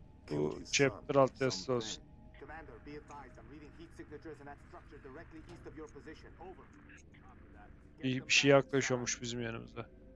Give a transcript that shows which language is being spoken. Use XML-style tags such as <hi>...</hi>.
<tr>Bu chapter alt yazısı olsun.</tr> <en>Commander, be advised. I'm reading heat signatures in that structure directly east of your position. Over.</en> <tr>Bir şey yaklaşıyormuş bizim yanımıza.</tr>